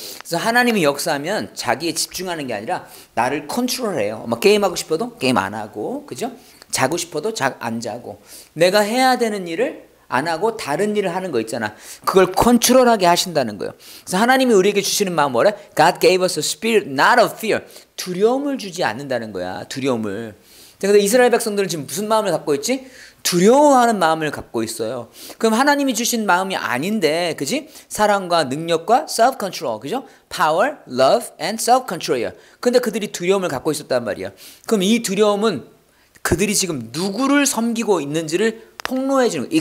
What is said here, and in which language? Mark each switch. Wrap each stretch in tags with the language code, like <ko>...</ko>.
<ko>그래서 하나님이 역사하면 자기에 집중하는 게 아니라 나를 컨트롤해요. 막 게임하고 싶어도 게임 안 하고, 그죠? 자고 싶어도 안 자고, 내가 해야 되는 일을 안 하고 다른 일을 하는 거 있잖아. 그걸 컨트롤하게 하신다는 거예요. 그래서 하나님이 우리에게 주시는 마음 뭐래?</ko> <en>God gave us a spirit, not of fear.</en> <ko>두려움을 주지 않는다는 거야, 두려움을. 근데 이스라엘 백성들은 지금 무슨 마음을 갖고 있지? 두려워하는 마음을 갖고 있어요. 그럼 하나님이 주신 마음이 아닌데, 그지? 사랑과 능력과 self-control, 그죠?</ko> <en>power, love, and self-control.</en> <ko>근데 그들이 두려움을 갖고 있었단 말이야. 그럼 이 두려움은 그들이 지금 누구를 섬기고 있는지를 폭로해 주는 거예요.</ko>